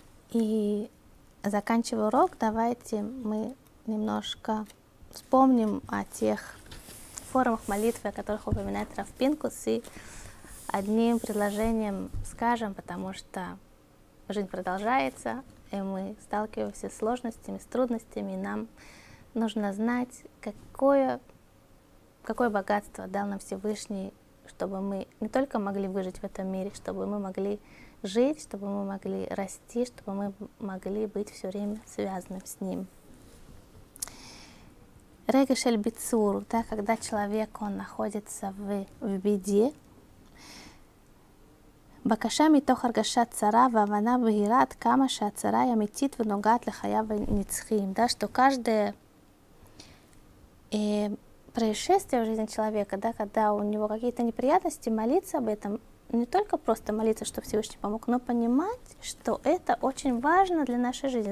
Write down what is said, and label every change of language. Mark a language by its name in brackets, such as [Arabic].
[Russian] И заканчивая урок, давайте мы немножко вспомним о тех формах молитвы, о которых упоминает Рав Пинкус, и одним предложением скажем, потому что жизнь продолжается, и мы сталкиваемся с сложностями, с трудностями, и нам нужно знать, какое богатство дал нам Всевышний, чтобы мы не только могли выжить в этом мире, чтобы мы могли жить, чтобы мы могли расти, чтобы мы могли быть все время связанным с Ним. [Hebrew] Регешель бицур, [Russian] да, когда человек, он находится в беде, [Hebrew] בקשה מתוך הרגשה צרה והבנה בהירה עד כמה שהצרה היא אמיתית ונוגעת לחייו הנצחיים. [Russian] Да, что каждое происшествие в жизни человека, да, когда у него какие-то неприятности, молиться об этом, не только просто молиться, чтобы Всевышний помог, но понимать, что это очень важно для нашей жизни.